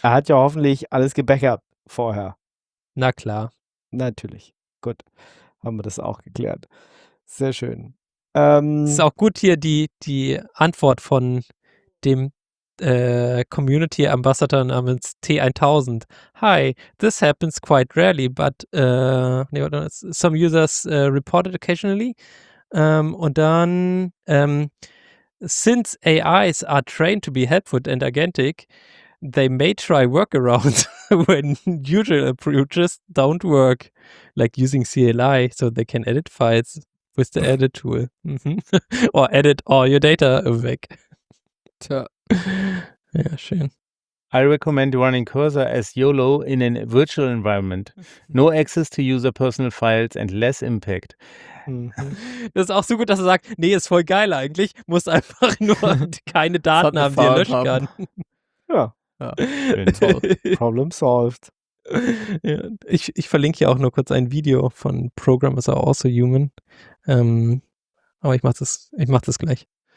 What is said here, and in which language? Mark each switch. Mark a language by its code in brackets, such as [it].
[de] Er hat ja hoffentlich alles gebackert vorher. Na klar. Natürlich. Gut. Haben wir das auch geklärt. Sehr schön. Ist auch gut hier die Antwort von dem Community Ambassador namens T1000. [en] Hi, this happens quite rarely, but some users reported occasionally. [de] Und dann, [en] since AIs are trained to be helpful and agentic, they may try workarounds when usual approaches don't work, like using CLI so they can edit files with the edit tool or edit all your data weg. [de] Tja. Ja, schön. [en] I recommend running Cursor as YOLO in a virtual environment. No access to user personal files and less impact. [de] Das ist auch so gut, dass er sagt, nee, ist voll geil eigentlich. Muss einfach nur keine Daten haben, die er löschen haben. Kann. [en] Ja. Problem solved. [de] Ja, ich verlinke hier auch nur kurz ein Video von Programmers Are Also Human. Aber ich mach das gleich.